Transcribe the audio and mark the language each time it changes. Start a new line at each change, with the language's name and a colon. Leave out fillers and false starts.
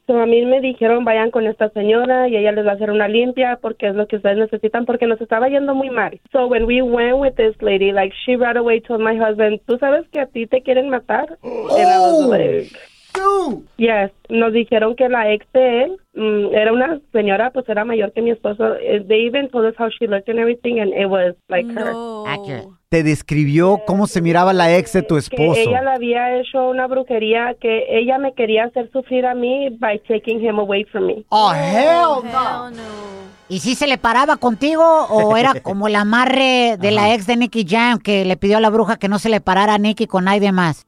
Spanish: So a mí me dijeron, vayan con esta señora, y ella les va a hacer una limpia, porque es lo que ustedes necesitan, porque nos estaba yendo muy mal.
English: So when we went with this lady, like, she right away told my husband, ¿tú sabes que a ti te quieren matar? And
Spanish: I was like, yes, nos dijeron que la ex de él era una señora, pues era mayor que mi esposo.
English: They even told us how she looked and everything, and it was like no. Her.
Spanish: Te describió cómo se miraba la ex de tu esposo. Que ella le había hecho una brujería, que ella me quería hacer sufrir a mí by taking him away from me.
English: Oh, hell no. Hell no.
Spanish: ¿Y si se le paraba contigo o era como el amarre de la ex de Nicky Jam que le pidió a la bruja que no se le parara a Nicky con nadie más?